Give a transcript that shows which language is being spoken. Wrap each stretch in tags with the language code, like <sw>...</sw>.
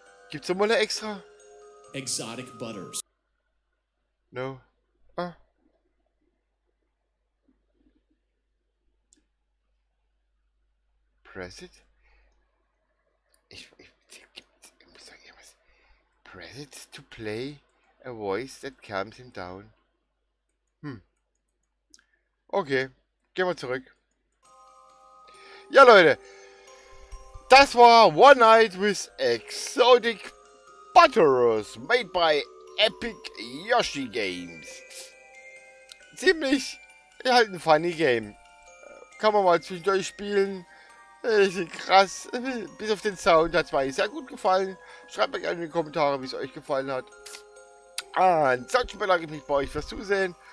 <de>Gibt's noch mal eine extra?</de> <en>Exotic Butters. No. Ah. Present?</en> <de>Ich muss sagen, irgendwas.</de> <en>Present to play a voice that calms him down.</en> <de>Hm. Okay. Gehen wir zurück. Ja, Leute. Das war One Night with Exotic Butters, made by Epic Yoshi Games. Ziemlich, ja, halt ein funny Game. Kann man mal zwischendurch spielen. Richtig krass. Bis auf den Sound hat es mir sehr gut gefallen. Schreibt mir gerne in die Kommentare, wie es euch gefallen hat. Ansonsten bedanke ich mich bei euch fürs Zusehen.</de>